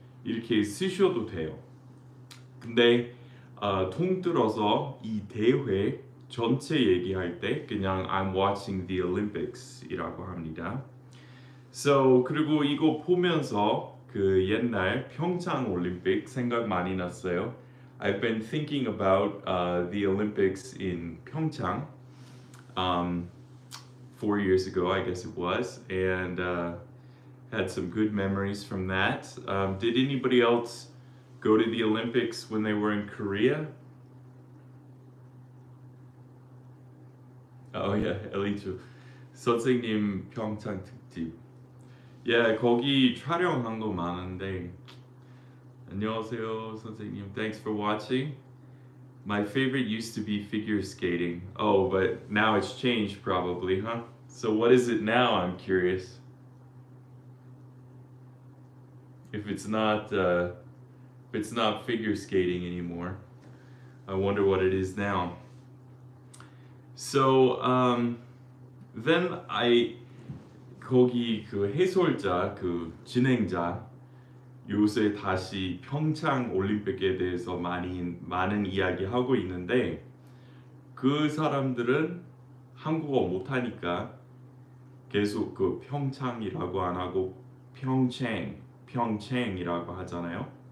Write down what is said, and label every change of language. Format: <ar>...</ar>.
<ko>이렇게 쓰셔도 돼요. 근데 통틀어서 이 대회 전체 얘기할 때 그냥 I'm watching the Olympics 이라고 합니다. So 그리고 이거 보면서 그 옛날 평창 올림픽 생각 많이 났어요.</ko> <en>I've been thinking about the Olympics in Pyeongchang 4 years ago, I guess it was, and had some good memories from that. Did anybody else go to the Olympics when they were in Korea? Oh yeah, Ellie too. 선생님 평창 특집. Yeah,</en> <ko>거기 촬영한 거 많은데. 안녕하세요, 선생님.</ko> <en>Thanks for watching. My favorite used to be figure skating. Oh, but now it's changed probably, huh? So what is it now, I'm curious? If it's not figure skating anymore, I wonder what it is now.</en> <ko>So, then I 거기 그 해설자, 그 진행자 요새 다시 평창 올림픽에 대해서 많은 이야기 하고 있는데 그 사람들은 한국어 못하니까 계속 그 평창이라고 안 하고 평창이라고 하잖아요.</ko>